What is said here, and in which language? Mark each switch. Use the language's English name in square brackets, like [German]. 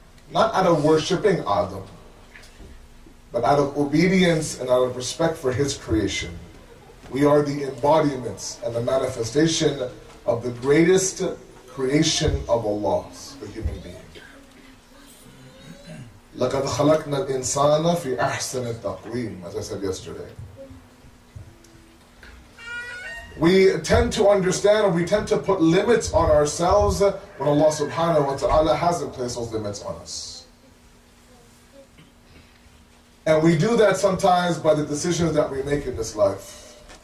[English] Not out of worshipping Adam, but out of obedience and out of respect for His creation. We are the embodiments and the manifestation of the greatest creation of Allah, the human being. [Arabic] لَقَدْ خَلَقْنَا الْإِنسَانَ فِي أَحْسَنِ التَّقْوِيمِ, [English] as I said yesterday. We tend to understand, or we tend to put limits on ourselves when Allah subhanahu wa ta'ala hasn't placed those limits on us. And we do that sometimes by the decisions that we make in this life.